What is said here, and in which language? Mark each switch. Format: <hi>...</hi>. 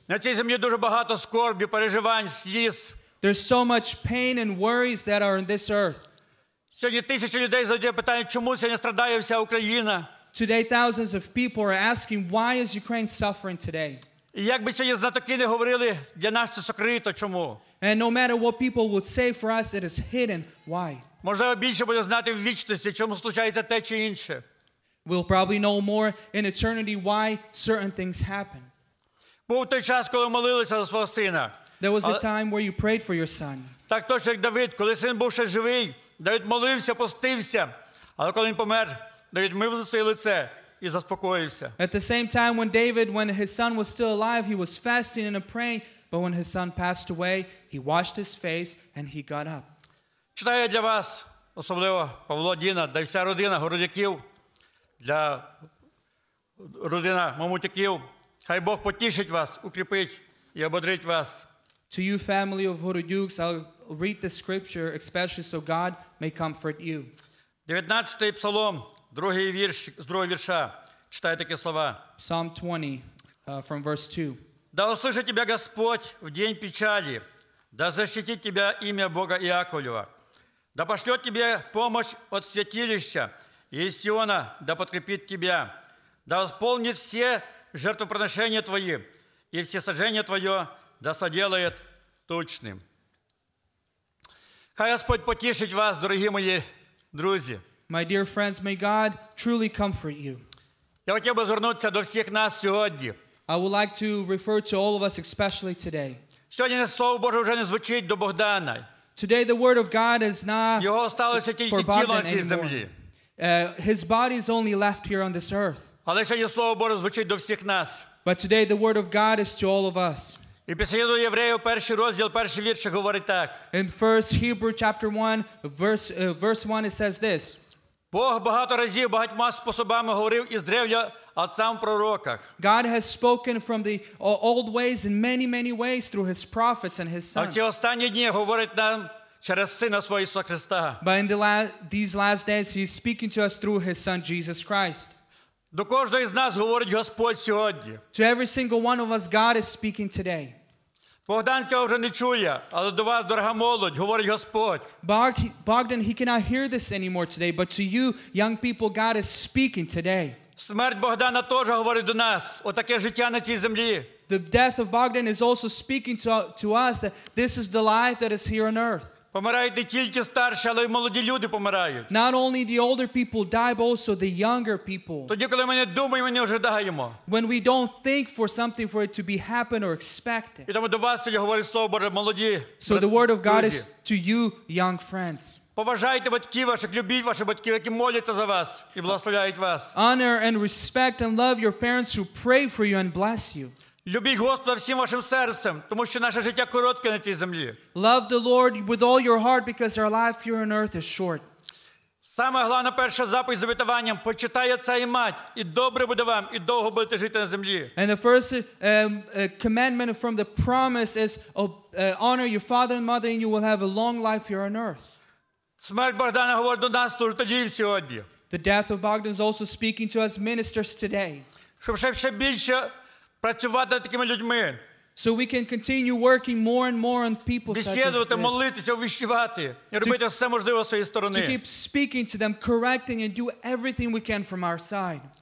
<uk>На цій землі дуже багато скорбі, переживань, сліз.</uk> <en>There's so much pain and worries that are in this earth.</en> <uk>Сьогодні тисячі людей задають питання, чому сьогодні страждає вся Україна?</uk> <en>Today thousands of people are asking, why is Ukraine suffering today?</en> <uk>І якби сьогодні знатоки не говорили, для нас це скрито, чому?</uk> <en>And no matter what people would say for us, it is hidden. Why?</en> <uk>Можливо, більше буде знати в вічності, чому случається те чи інше.</uk> <en>We'll probably know more in eternity why certain things happen.</en> <uk>Був той час, коли молилися за свого сина.</uk> <en>There was a time where you prayed for your son.</en> <uk>Так точно, як Давид, коли син був ще живий, Давид молився, постився. Але коли він помер, Давид мив своє лице і заспокоївся.</uk> <en>At the same time when David, when his son was still alive, he was fasting and praying, but when his son passed away, he washed his face and he got up.</en> <uk>Читаю для вас, особливо Павло, Діна, да вся родина Городяків, для родина Мамутяків, хай Бог потішить вас, укріпить і ободрить вас.</uk> <en>To you, family of Gorodyuks, I'll read the scripture, especially so God may comfort you.</en> <uk>19-й псалом, другий вірш, з другого вірша, читає такі слова.</uk> <en>Psalm 20, from verse 2.</en> <ru>Да услышит тебя Господь в день печали, да защитит тебя имя Бога Иаковлева, да пошлет тебе помощь от святилища, и из Сиона да подкрепит тебя, да восполнит все жертвоприношения твои, и все сожжения твое, да соделает точным.</ru> <uk>Хай Господь потішить вас, дорогі мої друзі.</uk> <en>My dear friends, may God truly comfort you.</en> <uk>Я хотів би звернутися до всіх нас сьогодні.</uk> <en>I would like to refer to all of us especially today.</en> <uk>Сьогодні Слово Боже вже не звучить до Богдана.</uk> <en>Today the word of God is not for</en> <uk>Богдана. Його сталося тільки тіло на цій землі.</uk> <en>His body is only left here on this earth.</en> <uk>Але сьогодні Слово Боже звучить до всіх нас.</uk> <en>But today the word of God is to all of us.</en> <uk>І після до Євреїв перший розділ, перший вірш говорить так.</uk> <en>In first Hebrew chapter 1, verse 1, it says this.</en> <uk>Бог багато разів багатьма способами говорив із древля отцям в пророках.</uk> <en>God has spoken from the old ways in many, many ways through his prophets and his sons.</en> <uk>А в ці останні дні говорить нам через Сина свого Ісуса Христа.</uk> <en>But in these last days he's speaking to us through his son Jesus Christ.</en> <uk>До кожного із нас говорить Господь сьогодні.</uk> <en>To every single one of us, God is speaking today.</en> <uk>Богдан цього вже не чує, але до вас, дорога молодь, говорить Господь.</uk> <en>Bogdan, he cannot hear this anymore today, but to you, young people, God is speaking today.</en> <uk>Смерть Богдана теж говорить до нас, отаке життя на цій землі.</uk> <en>The death of Bogdan is also speaking to us that this is the life that is here on earth.</en> <uk>Помирають не тільки старші, але й молоді люди помирають.</uk> <en>Not only the older people die, but also the younger people.</en> <uk>Тоді, коли ми не думаємо, не ожидаємо.</uk> <en>When we don't think for something for it to be happen or expected.</en> <uk>І тому до вас сьогодні говорить Слово Боже, молоді.</uk> <en>So the word of God is to you, young friends.</en> <uk>Поважайте батьків ваших, любіть ваших батьків, які моляться за вас і благословляють вас.</uk> <en>Honor and respect and love your parents who pray for you and bless you.</en> <uk>Любіть Господа всім вашим серцем, тому що наше життя коротке на цій землі.</uk> <en>Love the Lord with all your heart because our life here on earth is short.</en> <uk>Саме головне перша заповідь з обітуванням: почитай отця і мать, і добре буде вам, і довго будете жити на землі.</uk> <en>And the first commandment from the promise is honor your father and mother and you will have a long life here on earth.</en> <uk>Смерть Богдана говорить до нас тут тоді сьогодні.</uk> <en>The death of Bogdan is also speaking to us ministers today.</en> <uk>Щоб ще більше працювати над такими людьми. So we can continue working more and more on people such as this.</uk> <en>To keep speaking to them, correcting, and do everything we can from our side.</en>